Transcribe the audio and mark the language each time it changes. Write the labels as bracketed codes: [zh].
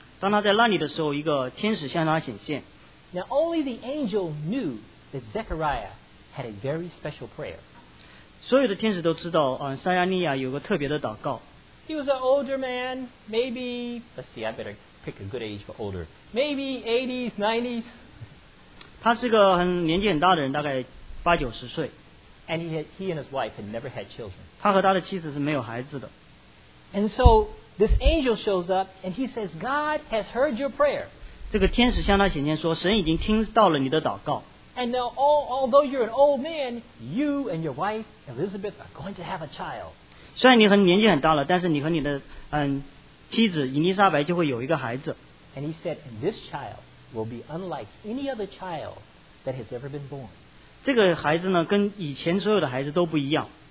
[zh] 当他在那里的时候一个天使向他显现 [en] Now only the angel knew that Zechariah had a very special prayer. [zh] 所有的天使都知道撒迦利亚有个特别的祷告。 [en] He was an older man, maybe, let's see, I better pick a good age for older. Maybe 80s, 90s. [zh] 他是个很年纪很大的人大概八九十岁。 [en] And he and his wife had never had children. [zh] 他和他的妻子是没有孩子的。 [en] And so this angel shows up and he says, God has heard your prayer. [zh] 这个天使向他显现说神已经听到了你的祷告 [en] And now although you're an old man You and your wife Elizabeth are going to have a child [zh] 虽然你很年纪很大了但是你和你的妻子伊丽莎白就会有一个孩子 [en] And he said and this child will be unlike any other child that has ever been born [zh] 这个孩子呢跟以前所有的孩子都不一样